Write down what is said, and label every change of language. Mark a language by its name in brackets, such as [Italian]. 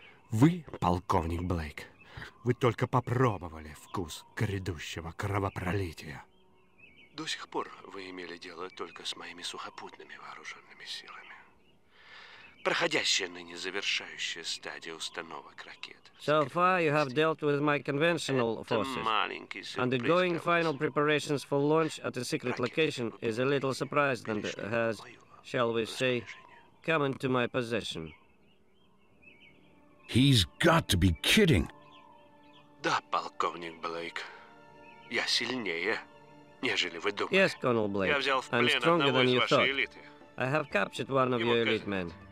[Russian] Вы, полковник Блейк, вы только попробовали вкус грядущего кровопролития. До сих пор вы имели дело только с моими сухопутными вооруженными силами. Проходящая ныне завершающая стадия установок ракет. [English] So far you have dealt with my conventional forces. Undergoing final preparations for launch at a secret location is a little surprise than has, shall we say, come into my possession. He's got to be kidding. [Russian] Да, полковник Блейк. Я сильнее, нежели вы думаете. [English] Yes, Colonel Blake. I'm stronger than you thought. I have captured one of your elite men.